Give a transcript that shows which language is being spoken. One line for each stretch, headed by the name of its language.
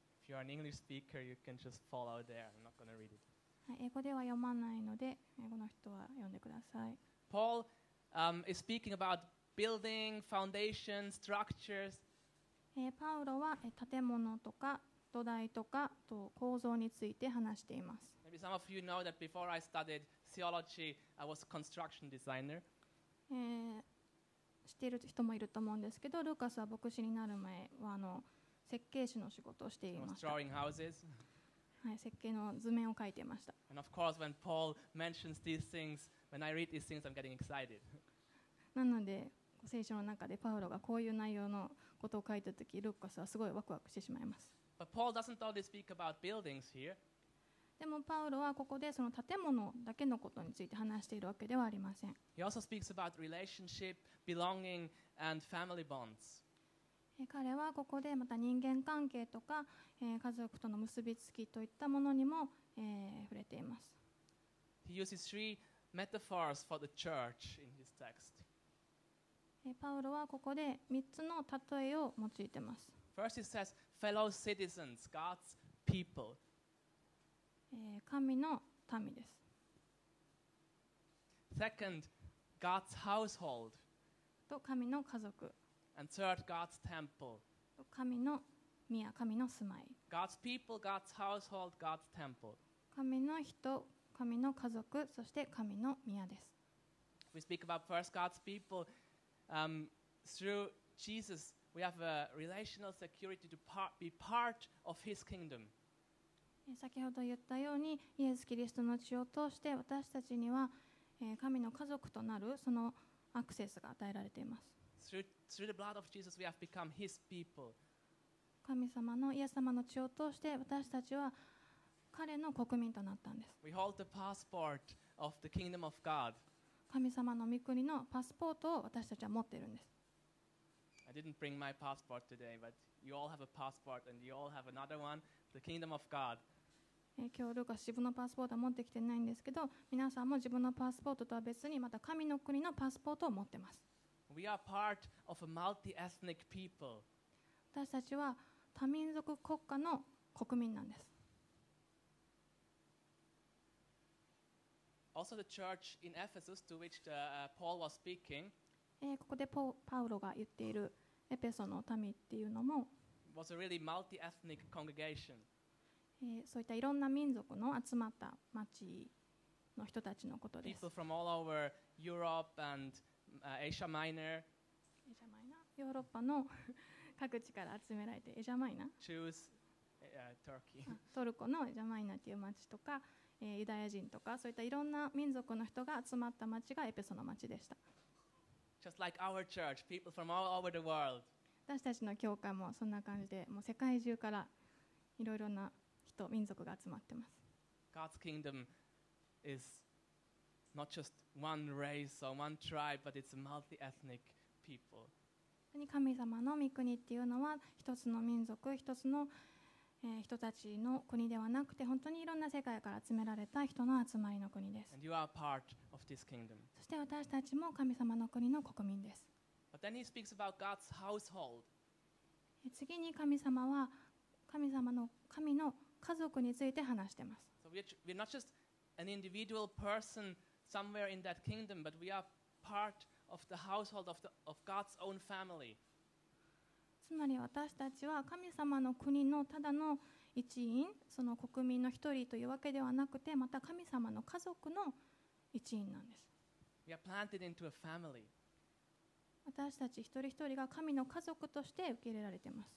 Japanese: 英語では読まないので、英語の人は読んでください。
English: Paul, is speaking about building, foundation, structures.
Japanese: パウロは建物とか土台とかと構造について話しています。
English: Maybe some of you know that before I studied theology, I was a construction designer.
Japanese: 知っている人もいると思うんですけど、ルーカスは牧師になる前は設計士の仕事をしていました。はい、設計の図面を描いていました。
English: And of course, when Paul mentions these things, when I read these things, I'm getting excited.
Japanese: なので、聖書の中でパウロがこういう内容のことを書いたとき、ルーカスはすごいワクワクしてしまいます。
English: But Paul doesn't only speak about buildings here.
Japanese: でもパウロはここでその建物だけのことについて話しているわけではありません。
English: He also speaks about relationship, belonging, and family bonds.
Japanese: 彼はここでまた人間関係とか家族との結びつきといったものにも触れています。
English: He uses three metaphors for the church in his text.
Japanese: パウロはここで3つの例えを用いています。
English: First he says fellow citizens, God's people.
Japanese: 神の民です。
English: Second, God's household.
Japanese: と神の家族。
English: And third, God's temple.
Japanese: 神の宮、神の住まい。
English: God's people, God's household, God's temple.
Japanese: 神の人、神の家族、そして神の宮です。
English: We speak about first God's people. Through Jesus, we have a relational security to be part of His kingdom.
Japanese: 先ほど言ったように、イエス・キリストの血を通して私たちには神の家族となるそのアクセスが与えられています。
English: Through the blood of Jesus, we have become His people.
Japanese: 神様のイエス様の血を通して私たちは彼の国民となったんです。
English: We hold the passport of the kingdom of God.
Japanese: 神様の御国のパスポートを私たちは持っているんです。
English: I didn't bring my passport today, but you all have a passport and you all have another one, the kingdom of God.
Japanese: 今日ルカ自分のパスポートは持ってきてないんですけど、皆さんも自分のパスポートとは別にまた神の国のパスポートを持っています。
English: We are part of a multi-ethnic people.
Japanese: 私たちは多民族国家の国民なんです。
English: Also, the church in Ephesus, to which the, Paul was speaking,
Japanese: ここでパウロが言っているエペソの民っていうのも、
English: was a really multi-ethnic congregation.
Japanese: そういったいろんな民族の集まった町の人たちのことです。
English: People from all over Europe andAsia Minor,
Japanese: Asia Minor, ヨーロッパの各地から集められて、Asia Minor,
English: choose Turkey,
Japanese: トルコの Asia Minor という町とか、ユダヤ人とか、そういったいろんな民族の人が集まった町がエペソの町でした。
English: Just like our church, people from all over the world.
Japanese: 私たちの教会もそんな感じで、もう世界中からいろいろな人、民族が集まってます。
English: God's kingdom is. Not just one race or one tribe, but it's a multi-ethnic people.
Japanese: 神様の御国っていうのは一つの民族、一つの人たちの国ではなくて、本当にいろんな世界から集められた人の集まりの国です。
English: And you are part of this kingdom.
Japanese: そして私たちも神様の国の国民です。
English: But then he speaks about God's household.
Japanese: 次に神様は神様の神の家族について話してます。
English: So we're not just an individual person. Somewhere in that kingdom, but we are part of the household of, the, of God's own family.
Japanese: つまり私たちは神様の国のただの一員、その国民の一人というわけではなくて、また神様の家族の一員なんです。
English: We are planted into a family.
Japanese: 私たち一人一人が神の家族として受け入れられています。